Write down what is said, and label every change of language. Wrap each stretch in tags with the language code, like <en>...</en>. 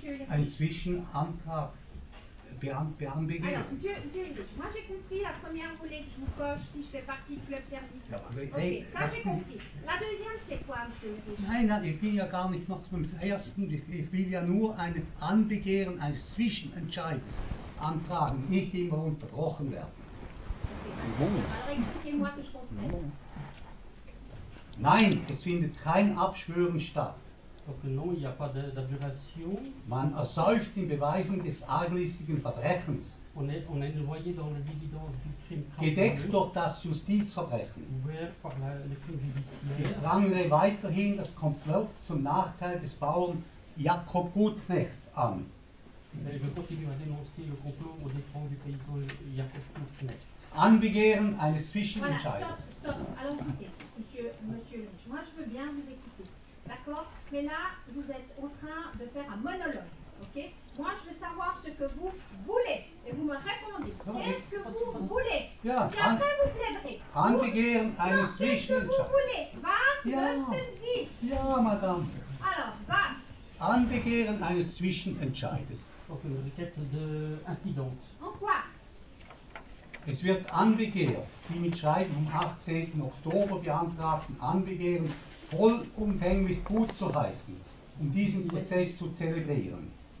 <de>Ein Zwischenantrag beanbegehen.</de> <fr>Moi j'ai compris, la première vous voulez que je vous coche si je fais partie du club service.</fr> <de>Ja, okay,</de> <fr>ça j'ai compris. La deuxième c'est quoi, monsieur?</fr> <de>Nein, ich bin ja gar nicht noch zum ersten. Ich will ja nur ein Anbegehren, ein Zwischenentscheid antragen, nicht immer unterbrochen werden. Okay.</de> <fr>Alors expliquez-moi ce que je comprends.</fr> <de>Nein, es findet kein Abschwören statt.</de> <fr>Donc non, il n'y a pas d'abjuration.</fr> <de>Man ersäuft in Beweisen des arglistigen Verbrechens.</de> <fr>On est noyé dans les évidences du crime.</fr> <de>Gedeckt durch das Justizverbrechen.</de> <fr>Ouvert par le crime judiciaire.</fr> <de>Ich prangere weiterhin das Komplott zum Nachteil des Bauern Jakob Gutknecht an.</de> <fr>Et je continue à dénoncer le complot au détriment du paysan Jakob Gutknecht.</fr> <de>Anbegehren eines Zwischenentscheides.</de> <fr>Voilà, stop. Allons-y, monsieur, moi je veux bien vous écouter. D'accord ? Mais là, vous êtes en train de faire un monologue, ok ? Moi, je veux savoir ce que vous voulez, et vous me répondez. Qu'est-ce que vous voulez ?</fr> <de>Ja,</de> <fr>et après, vous plaiderez.</fr> <de>Anbegehren eines Zwischenentscheides.</de> <fr>Qu'est-ce que vous voulez ?</fr> <de>Was müssen Sie ? Ja, madame. Alors, was ? Anbegehren eines Zwischenentscheides.</de> <fr>Auf une requête de incident. En quoi ?</fr> <de>Es wird anbegehrt, die mit Schreiben vom 18. Oktober beantragten Anbegehren vollumfänglich gut zu heißen, um diesen Prozess zu zelebrieren.</de>